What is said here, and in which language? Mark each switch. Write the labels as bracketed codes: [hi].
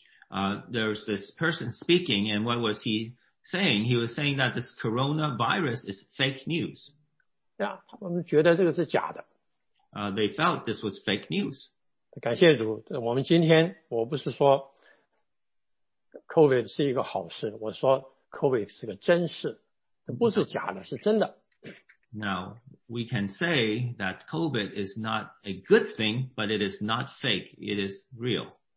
[en] There's this person speaking, and what was he saying? He was saying that this coronavirus is fake news. [zh] Yeah, 他们觉得这个是假的。 [en] They felt this was fake news. [zh] 感谢主，我们今天，我不是说 COVID 是一个好事，我说 COVID 是个真事，不是假的，是真的。 [en] Now, we can say that COVID is not a good thing, but it is not fake, it is real.